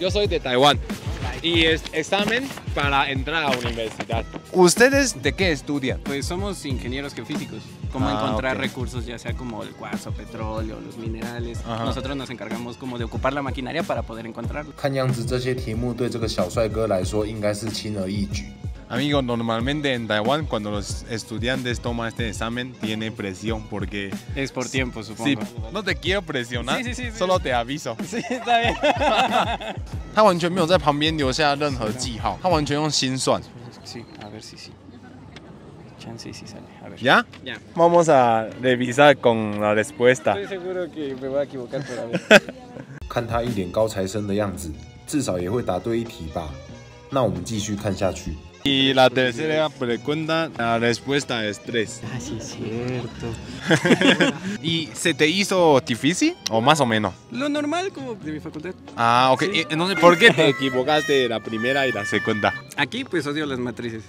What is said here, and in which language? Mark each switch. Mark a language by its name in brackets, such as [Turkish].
[Spanish] Yo soy de Taiwán. Y es examen para entrar a la universidad. ¿Ustedes de qué estudian? Pues somos ingenieros geofísicos. Cómo encontrar recursos, ya sea como el cuarzo, petróleo, los minerales. Ajá. Nosotros nos encargamos como de ocupar la maquinaria para poder encontrarlo. [Chinese] 看样子这些题目对这个小帅哥来说应该是轻而易举。 [Spanish] Amigo, normalmente en Taiwán cuando los estudiantes toman este examen tiene presión porque... Es por tiempo, supongo. Sí, no te quiero presionar, sí, sí, sí, sí. Solo te aviso. Sí, está bien. [Chinese] 他完全没有在旁边留下任何记号, 他完全用心算. [Spanish] Sí, a ver si sí. Chance si sale, a ver. ¿Ya? Ya. Vamos a revisar con la respuesta. Estoy seguro que me voy a equivocar, pero a ver. [Chinese] 看他一脸高材生的样子, 至少也会答对一题吧, 那我们继续看下去. [Spanish] Y la tercera pregunta, la respuesta es 3. Ah, sí, es cierto. ¿Y se te hizo difícil o más o menos? Lo normal, como de mi facultad. Ah, ok. Sí. Entonces, ¿por qué te equivocaste la primera y la segunda? Aquí, pues odio las matrices.